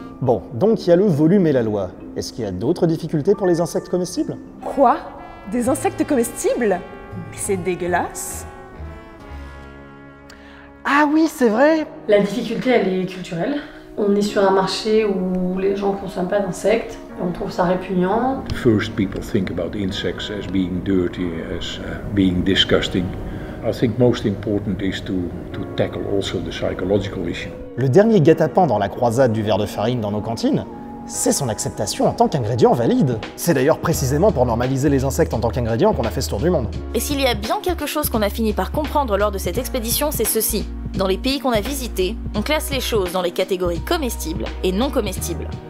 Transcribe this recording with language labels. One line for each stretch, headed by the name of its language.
French: Bon, donc il y a le volume et la loi. Est-ce qu'il y a d'autres difficultés pour les insectes comestibles? Quoi? Des insectes comestibles? Mais c'est dégueulasse! Ah oui, c'est vrai! La difficulté, elle est culturelle. On est sur un marché où les gens ne consomment pas d'insectes. On trouve ça répugnant.
English: First, people think about insects as being dirty, as being disgusting. I think most important is to tackle also the psychological issue.
French: Le dernier guet-apens dans la croisade du ver de farine dans nos cantines, c'est son acceptation en tant qu'ingrédient valide. C'est d'ailleurs précisément pour normaliser les insectes en tant qu'ingrédient qu'on a fait ce tour du monde. Et s'il y a bien quelque chose qu'on a fini par comprendre lors de cette expédition, c'est ceci. Dans les pays qu'on a visités, on classe les choses dans les catégories comestibles et non comestibles.